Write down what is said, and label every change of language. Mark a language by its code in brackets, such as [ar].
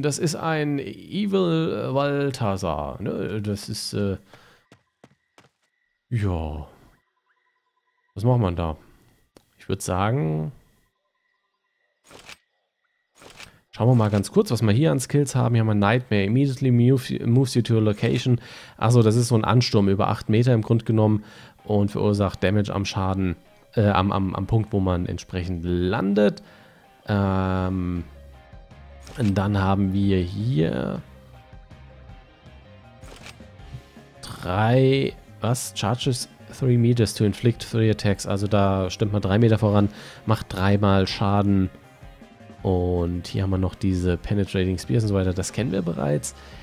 [de] Das ist ein Evil Valtasar. Ne? Das ist, ja. Was macht man da? Ich würde sagen, schauen wir mal ganz kurz, was wir hier an Skills haben. Hier haben wir Nightmare. [en] Immediately moves you to a location. [de] Achso, das ist so ein Ansturm über 8 Meter im Grunde genommen und verursacht Damage am Schaden, am Punkt, wo man entsprechend landet. Und dann haben wir hier 3, was? [en] Charges 3 meters to inflict 3 attacks. [de] Also da stimmt man 3 Meter voran, macht 3-mal Schaden. Und hier haben wir noch diese Penetrating Spears und so weiter. Das kennen wir bereits.